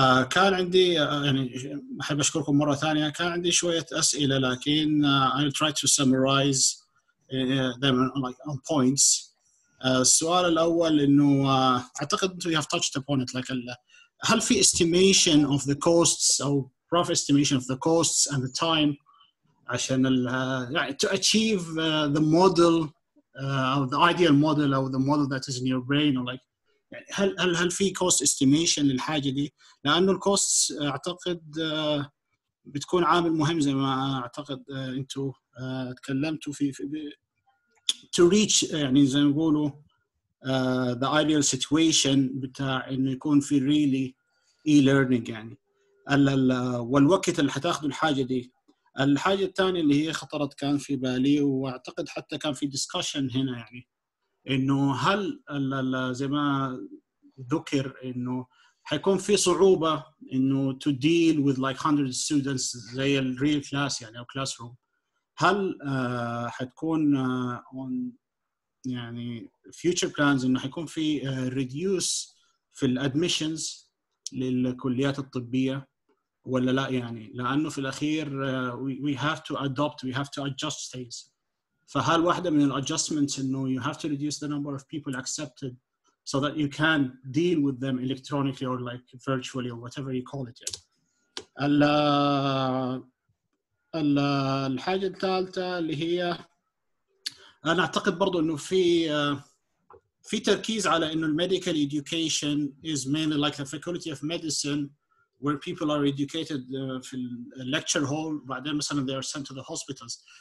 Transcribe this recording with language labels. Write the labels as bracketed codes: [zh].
[ar] كان عندي يعني أحب أشكركم مرة ثانية. كان عندي شوية أسئلة لكن [en] I'll try to summarize them on points. [ar] السؤال الأول إنه أعتقد [en] you have touched upon it, like هل في estimation of the costs أو rough estimation of the costs and the time عشان to achieve the model of the ideal model or the model that is in your brain, or like هل في cost estimation [ar] للحاجه دي؟ لانه الكوستس اعتقد بتكون عامل مهم زي ما اعتقد انتوا تكلمتوا في to reach يعني زي ما نقولوا [en] the ideal situation [ar] بتاع انه يكون في [en] really e-learning [ar] يعني والوقت اللي حتاخده الحاجة دي. الحاجة الثانية اللي هي خطرت كان في بالي واعتقد حتى كان في discussion هنا يعني انه هل زي ما ذكر انه حيكون في صعوبه انه [en] to deal with like 100 students [ar] زي ال real class يعني او classroom، هل حتكون on يعني [en] future plans [ar] انه حيكون في reduce في الادميشنز للكليات الطبيه ولا لا؟ يعني لانه في الاخير [en] we have to adopt, we have to adjust things. [ar] فهل واحده من الادجستمنتس انه [en] you have to reduce the number of people accepted so that you can deal with them electronically or like virtually or whatever you call it. [ar] يعني الحاجه الثالثه اللي هي انا اعتقد برضو انه في تركيز على انه [en] medical education is mainly like the faculty of medicine where people are educated في lecture hall [ar] بعدين مثلا [en] they are sent to the hospitals.